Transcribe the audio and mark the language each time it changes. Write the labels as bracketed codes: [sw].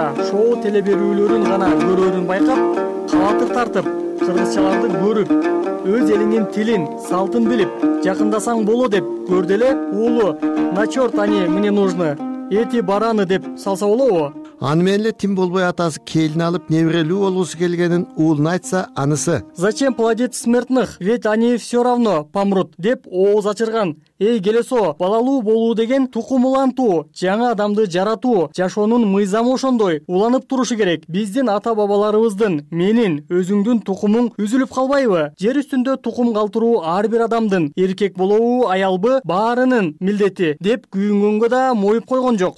[ky] Шоу телеберүүлөрүн гана көрөрүн байкап, каатыр тартып, кыргызчаларды көрүп, өз элиңин тилин, салтын билип, жакындасаң боло деп көрдөле уулу [ru] на чёрт они мне нужны, эти бараны [ky] деп салса болобу? Аны менен эле тим болбой атасы келин алып неберелүү болгусу келгенин уулуна айтса анысы. [ru] Зачем плодить смертных, ведь они все равно помрут [ky] деп ооз ачырган. Эй келесо, балалуу болуу деген тукум улантуу, жаңы адамды жаратуу, жашоонун мыйзамы ошондой уланып турушу керек. Биздин ата бабаларыбыздын, менин, өзүңдүн тукумуң үзүлүп калбайбы? Жер үстүндө тукум калтыруу ар бир адамдын, эркек болобу, аялбы, баарынын милдети деп күйүнгөнгө да моюп койгон жок.